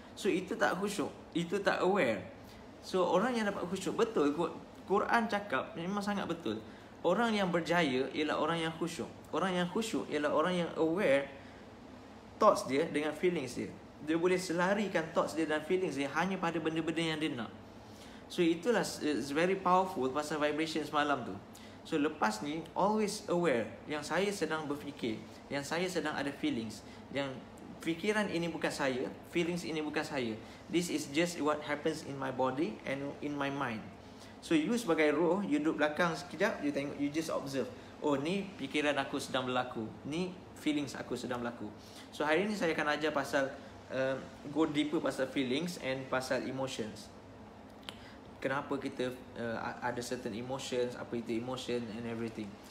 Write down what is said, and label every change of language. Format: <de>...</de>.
<ms>So itu tak khusyuk, itu tak aware. So orang yang dapat khusyuk betul, Quran cakap memang sangat betul, orang yang berjaya ialah orang yang khusyuk. Orang yang khusyuk ialah orang yang aware thoughts dia dengan feelings dia. Dia boleh selarikan thoughts dia dan feelings dia hanya pada benda-benda yang dia nak. So itulah,</ms> <en>it's very powerful</en> <ms>pasal vibration semalam tu. So lepas ni</ms> <en>always aware</en> <ms>yang saya sedang berfikir, yang saya sedang ada feelings, yang fikiran ini bukan saya, feelings ini bukan saya.</ms> <en>This is just what happens in my body and in my mind.</en> <ms>So you sebagai roh, you duduk belakang sekejap, you tengok,</ms> <en>you just observe.</en> <ms>Oh ni fikiran aku sedang berlaku, ni feelings aku sedang berlaku. So hari ni saya akan ajar pasal</ms> <en>go deeper</en> <ms>pasal feelings and pasal emotions. Kenapa kita ada</ms> <en>certain emotions,</en> <ms>apa itu</ms> <en>emotion and everything.</en>